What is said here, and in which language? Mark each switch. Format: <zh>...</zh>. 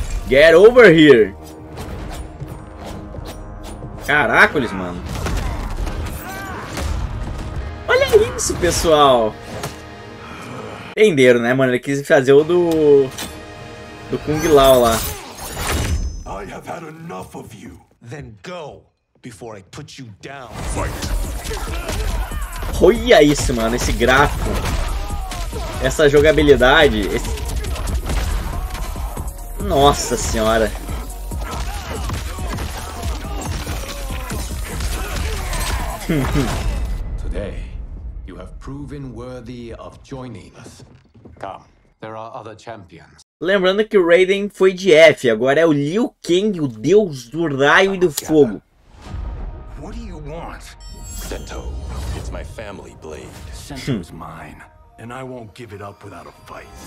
<en>Get over here!</en> <pt>Caracoles, mano. Olha isso, pessoal! Entenderam, né, mano? Ele quis fazer o do... do Kung Lao lá.</pt> <en>I have had enough of you. Then go before I put you down. Fight.</en> <pt>Olha isso, mano, esse gráfico. Essa jogabilidade. Esse... Nossa senhora.</pt> <en>Today, you have proven worthy of joining us. Come. There are other champions.</en> <pt>Lembrando que o Raiden foi de F, agora é o Liu Kang, o deus do raio e do fogo.</pt> <en>What do you want? Sento, it's my family blade. Sento's mine, and I won't give it up without a fight.</en>